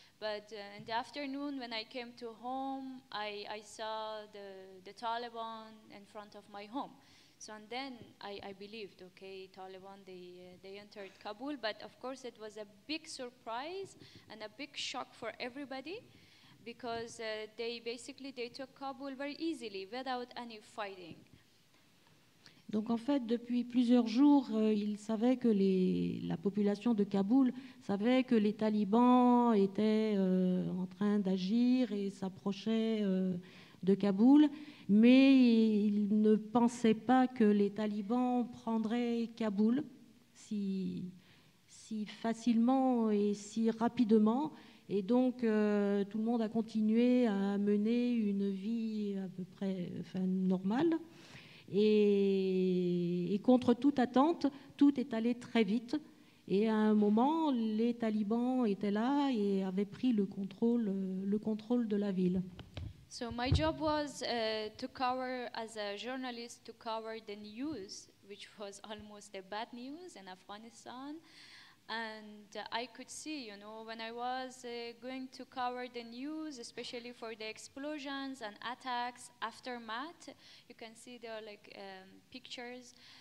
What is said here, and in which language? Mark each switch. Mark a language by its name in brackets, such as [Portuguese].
[English] But in the afternoon, when I came to home, I saw the Taliban in front of my home. So, and then I believed, okay, Taliban, they entered Kabul. But of course, it was a big surprise and a big shock for everybody, because they took Kabul very easily without any fighting. [French] Donc en fait, depuis plusieurs jours, ils savaient que la population de Kaboul savait que les talibans étaient en train d'agir et s'approchaient de Kaboul. Mais ils ne pensaient pas que les talibans prendraient Kaboul si facilement et si rapidement. Et donc tout le monde a continué à mener une vie à peu près normale. Et contre toute attente, tout est allé très vite. Et à un moment, les talibans étaient là et avaient pris le contrôle de la ville. [English] So my job was to cover, as a journalist, to cover the news, which was almost the bad news in Afghanistan. And I could see, you know, when I was going to cover the news, especially for the explosions and attacks, aftermath, you can see there are like pictures.